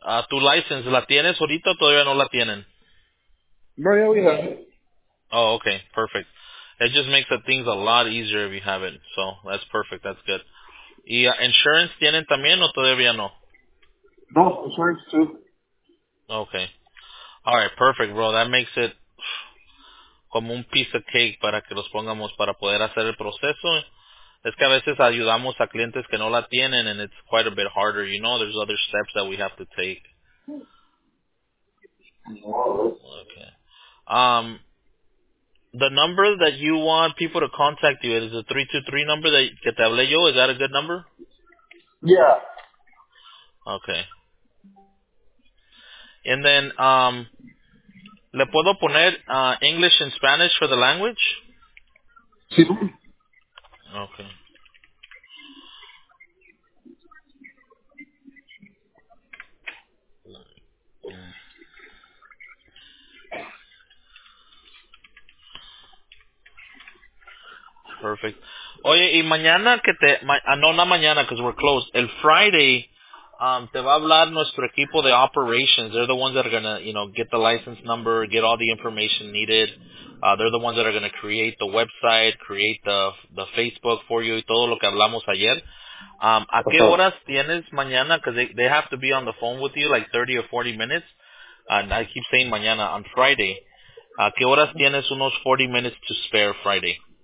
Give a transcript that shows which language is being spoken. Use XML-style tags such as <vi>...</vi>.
<es>Tu license, ¿la tienes ahorita o todavía no la tienen?</es> <en>No, yeah, we have it. Oh, okay, perfect. It just makes the things a lot easier if you have it, so that's perfect, that's good.</en> <es>¿Y insurance tienen también o todavía no?</es> <en>No, insurance too. Okay. All right, perfect, bro. That makes it</en> <es>como un</es> <en>piece of cake</en> <es>para que los pongamos para poder hacer el proceso. Es que a veces ayudamos a clientes que no la tienen,</es> <en>and it's quite a bit harder, you know. There's other steps that we have to take. Okay. The number that you want people to contact you is the 323 number that</en> <es>que te hablé yo.</es> <en>Is that a good number? Yeah. Okay. And then,</en> <es>¿le puedo poner</es> <en>English and Spanish for the language?</en> <es>Sí.</es> <en>Okay.</en> <es>Perfect. Oye, y mañana que te... no, no mañana,</es> <en>because we're closed.</en> <es>El Friday... te va a hablar nuestro equipo de operations.</es> <en>They're the ones that are going to, you know, get the license number, get all the information needed. They're the ones that are going to create the website, create the Facebook for you,</en> <es>y todo lo que hablamos ayer. ¿A qué horas tienes mañana?</es> <en>Because they have to be on the phone with you, like 30 or 40 minutes. And I keep saying mañana, on Friday.</en> <es>¿A qué horas tienes unos 40</es> <en>minutes to spare Friday?</en>